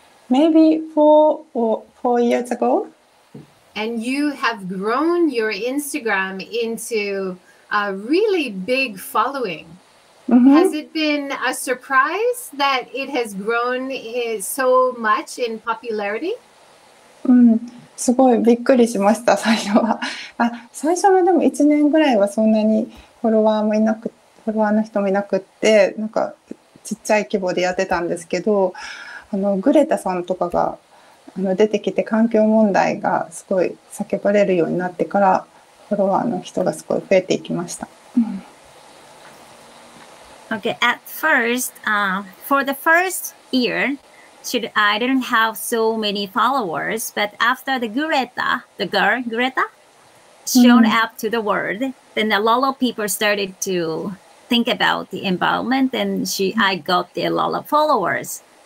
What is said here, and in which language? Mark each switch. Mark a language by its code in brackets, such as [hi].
[en] Maybe four years ago. And you have grown your Instagram into a really big following. Mm-hmm. Has it been a surprise that it has grown so much in popularity? [ja] すごいびっくりしました、最初は。あ、最初はでも1年ぐらいはそんなにフォロワーの人もいなくって、なんかちっちゃい規模でやってたんですけど、グレタさんとかが出てきて環境問題がすごい叫ばれるようになってから、フォロワーの人がすごい増えていきました。 [en] Okay, at first, for the first year,I didn't have so many followers, but after the Greta, the girl Greta, showed up to the world, then a lot of people started to think about the environment, and I got a lot of followers.